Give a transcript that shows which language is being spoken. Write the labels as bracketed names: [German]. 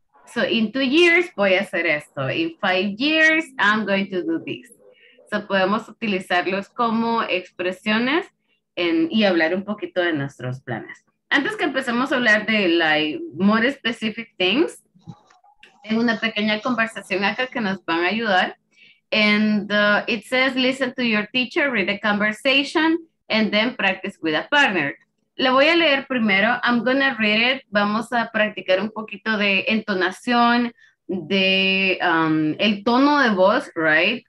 [English] So, in 2 years, [Spanish] voy a hacer esto. [English] In 5 years, I'm going to do this. [Spanish] So, podemos utilizarlos como expresiones en, y hablar un poquito de nuestros planes. Antes que empecemos a hablar de, [English] like, more specific things, [Spanish] en una pequeña conversación acá que nos van a ayudar. [English] And it says, listen to your teacher, read the conversation. And then practice with a partner. [Spanish] La voy a leer primero. [English] I'm gonna read it. [Spanish] Vamos a practicar un poquito de entonación, de el tono de voz, right?